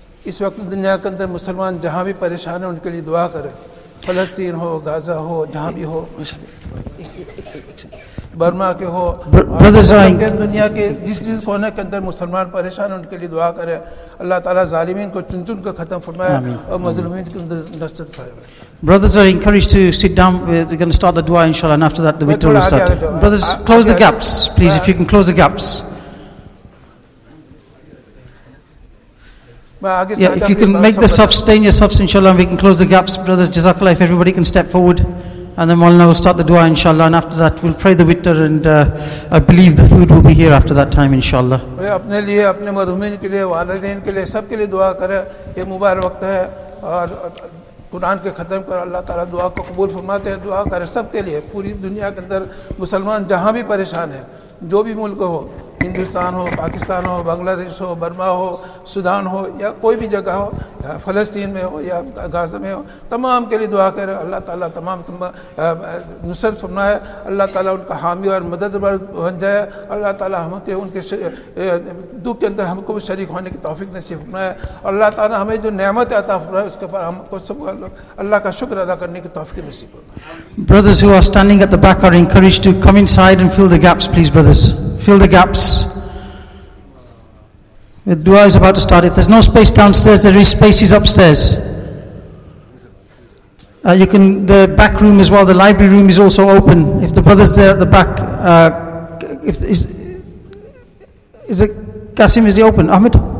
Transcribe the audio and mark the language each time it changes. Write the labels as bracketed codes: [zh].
[ur] اس وقت دنیا کے اندر مسلمان جہاں بھی پریشان ہیں ان کے لیے دعا کریں, فلسطین ہو, غازہ ہو, جہاں بھی ہو, برما کے ہو, دنیا کے جس جس کونے کے اندر مسلمان پریشان ہیں ان کے لیے دعا کرے. اللہ تعالیٰ ظالمین کو چن چن کر ختم فرمائے اور مظلومین کے اندر نصرت فرمائے. [en] Brothers are encouraged to sit down. We're going to start the dua inshallah, and after that the witr will start. Brothers, close the gaps please, if you can close the gaps. Yeah, if you can make the sub, stain yourself inshallah, and we can close the gaps. Brothers, jazakallah, if everybody can step forward, and then Maulana will start the dua inshallah, and after that we'll pray the witr, and I believe the food will be here after that time inshallah. [ur] Bhai apne liye, apne marhumin ke liye, walidain ke liye, sab ke liye dua kare. Ye mubarak waqt hai aur قرآن کے ختم کر اللہ تعالیٰ دعا کو قبول فرماتے ہیں. دعا کرے سب کے لیے, پوری دنیا کے اندر مسلمان جہاں بھی پریشان ہیں, جو بھی ملک ہو, ہندوستان ہو, پاکستان ہو, بنگلہ دیش ہو, برما ہو, سودان ہو, یا کوئی بھی جگہ ہو, یا فلسطین میں ہو, یا غازہ میں ہو, تمام کے لیے دعا کرے. اللہ تعالیٰ تمام نصرت فرمائے, اللہ تعالیٰ ان کا حامی اور مددگار بن جائے. اللہ تعالیٰ ہم کے ان کے دکھ کے اندر ہم کو بھی شریک ہونے کی توفیق نصیب فرمائے. اللہ تعالیٰ ہمیں جو نعمت عطا فرمائے اس کے اوپر ہم کو سب اللہ کا شکر ادا کرنے کی توفیق نصیب فرمائے. [en] Brothers who are standing at the back are encouraged to come inside and fill the gaps, please brothers. Fill the gaps. The dua is about to start. If there's no space downstairs, there is spaces upstairs. You can, the back room as well, the library room is also open. If the brothers there at the back, is it, Kasim, is he open? Ahmed?